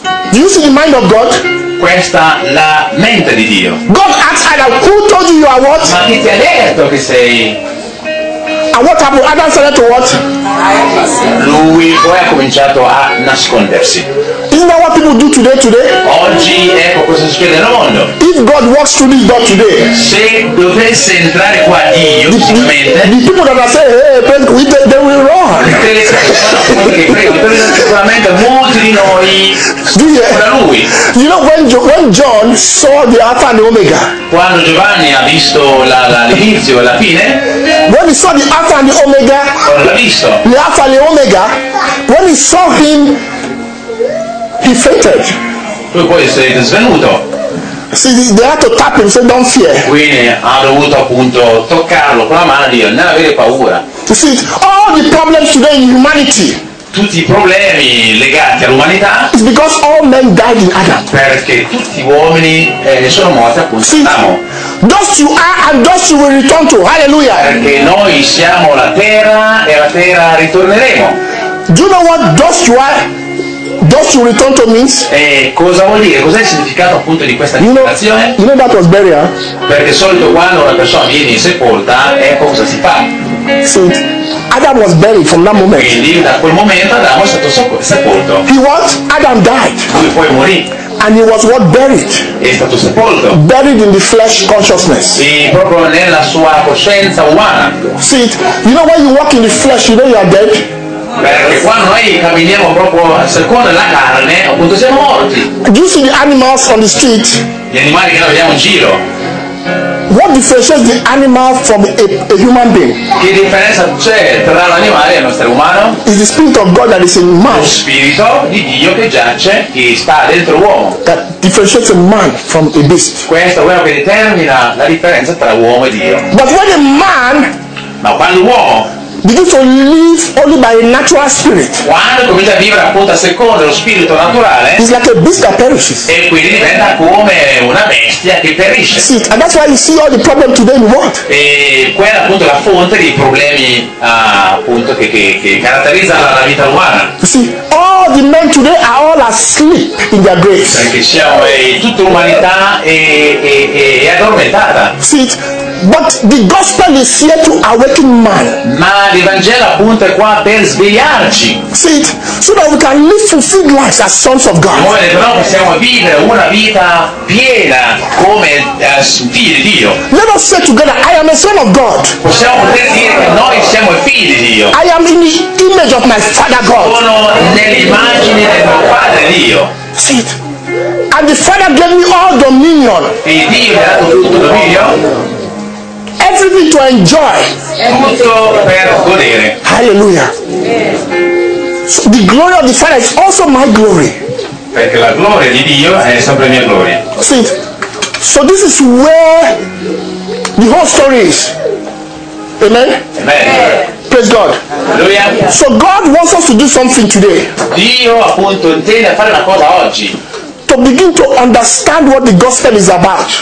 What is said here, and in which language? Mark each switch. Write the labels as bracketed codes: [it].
[en] Do you see the mind of God? [it] Questa la mente di Dio. [en] God asked Adam, who told you are what? [it] Ma chi ti ha detto che sei? [en] And what happened? Adam said to what? [it] Lui poi ha cominciato a nascondersi. [en] Isn't that what people do today? [it] Oggi ecco cosa succede nel mondo. [en] If God walks through this door today, [it] se dovesse entrare qua Dio, [en] the people that are saying, hey, pray, they will run. [it] Sicuramente molti di noi sono lui. [en] You know when John saw the Alpha and the Omega. [it] Quando Giovanni ha visto l'inizio e la fine. [en] When he saw the Alpha and the Omega. [it] Quando l'ha visto. [en] The Alpha and the Omega. When he saw him. He fainted. [it] Lui poi si è svenuto. [en] See, they had to tap him, so don't fear. [it] Quindi ha dovuto appunto toccarlo con la mano e dire non avere paura. [en] You see, all the problems today in humanity. [it] Tutti i problemi legati all'umanità. [en] It's because all men died in Adam. [it] Perché tutti gli uomini sono morti appunto. [en] See, [it] Adamo. [en] Dust you are and dust you will return to. Hallelujah. [it] Perché noi siamo la terra e la terra ritorneremo. [en] Do you know what dust you are? Dust you return to means? [it] Cosa vuol dire? Cos'è il significato appunto di questa citazione? [en] You know that was buried, huh? [it] Perché solito quando una persona viene sepolta, ecco cosa si fa. [en] See, Adam was buried from that moment. [it] Quindi da quel momento Adamo è stato sepolto. [en] He was? Adam died. [it] Lui poi morì. [en] And he was what buried? [it] È stato sepolto. [en] Buried in the flesh consciousness. [it] Sì, proprio nella sua coscienza umana. [en] See, you know when you walk in the flesh, you know you are dead. [it] Perché quando noi camminiamo proprio secondo la carne, appunto siamo morti. [en] Do you see the animals on the street? [it] Gli animali che noi vediamo in giro. [en] What differentiates the animal from a human being? [it] Che differenza c'è tra l'animale e un essere umano? [en] Is the spirit of God that is in man? [it] Lo spirito di Dio che giace, che sta dentro l'uomo. [en] That differentiates a man from a beast. [it] Questo è quello che determina la differenza tra uomo e Dio. [en] But when a man. [it] Ma quando l'uomo. [en] Begin to live only by a natural spirit. [it] Quando comincia a vivere appunto secondo lo spirito naturale. [en] It's like a beast that perishes. [it] E quindi diventa come una bestia che perisce. [en] See, and that's why you see all the problems today in the world. [it] E quella appunto è la fonte dei problemi appunto che caratterizza la vita umana. [en] See, all the men today are all asleep in their graves. See it? But the gospel is here to awaken man. [it] Ma l'Evangelo appunto è qua per svegliarci. [en] See it? So that we can live fulfilled lives as sons of God. [it] Noi però possiamo vivere una vita piena come figli di Dio. [en] Let us say together, I am a son of God. [it] Possiamo poter dire che noi siamo figli di Dio. [en] I am in the image of my father God. [it] Sono nell'immagine del mio padre Dio. [en] See it? And the father gave me all dominion. [it] E Dio mi ha dato tutto dominio. [en] Everything to enjoy. [it] Tutto per godere. [en] Hallelujah. So the glory of the Father is also my glory. [it] Perché la gloria di Dio è sempre mia gloria. [en] See, so this is where the whole story is. Amen. Amen. Praise God. Hallelujah. So God wants us to do something today. Dio appunto intende fare una cosa oggi. To begin to understand what the gospel is about.